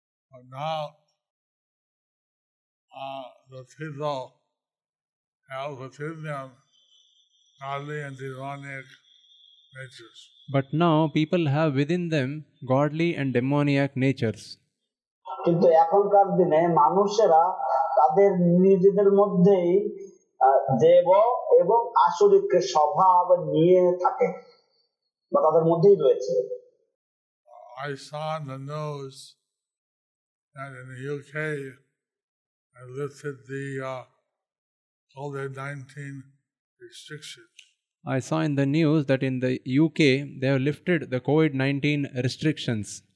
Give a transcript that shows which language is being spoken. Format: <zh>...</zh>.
<en>But now, the people have within them godly and divine natures. But now people have within them godly and demoniac natures.</en> <bn>কিন্তু এখনকার দিনে মানুষেরা তাদের নিজেদের মধ্যেই দেব এবং আসুরিক স্বভাব নিয়ে থাকে বা তাদের মধ্যেই রয়েছে.</bn> <en>I saw in the news that in the UK I lifted the COVID-19 restrictions. I saw in the news that in the UK they have lifted the COVID-19 restrictions.</en>